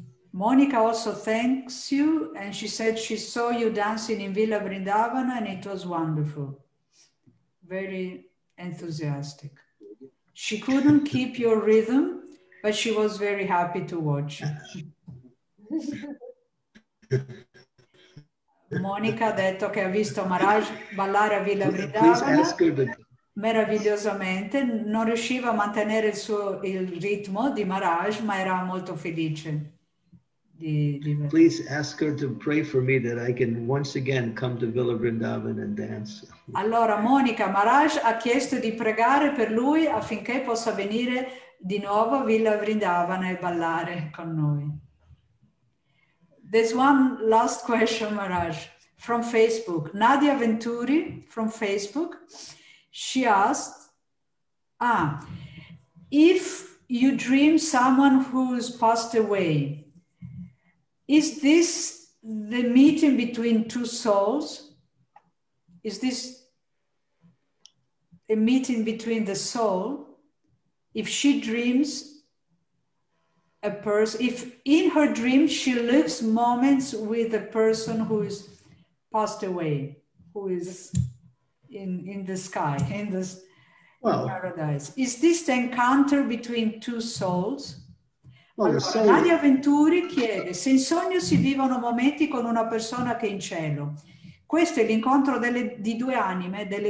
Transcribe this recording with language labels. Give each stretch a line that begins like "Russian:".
English: Monica also thanks you, and she said she saw you dancing in Villa Vrindavana and it was wonderful. Very enthusiastic. She couldn't keep your rhythm, but she was very happy to watch.
Italian: Monica ha detto che ha visto Maharaj ballare a Villa Vrindavana meravigliosamente, non riusciva a mantenere il ritmo di Maharaj, ma era molto felice di vedere.
English: Please ask her to pray for me that I can once again come to Villa Vrindavana and dance.
Italian: Allora Monica, Maharaj ha chiesto di pregare per lui affinché possa venire di nuovo a Villa Vrindavana e ballare con noi.
English: There's one last question, Maharaj, from Facebook. Nadia Venturi from Facebook, she asked, if you dream someone who's passed away, is this the meeting between two souls? Is this a meeting between the soul? If she dreams a person, if in her dream she lives moments with a person who is passed away, who is in the sky, in this paradise. Is this the encounter between two souls?
Italian: Nadia Venturi chiede, se in sogno si vivono momenti con una persona che è in cielo, questo è l'incontro delle due anime?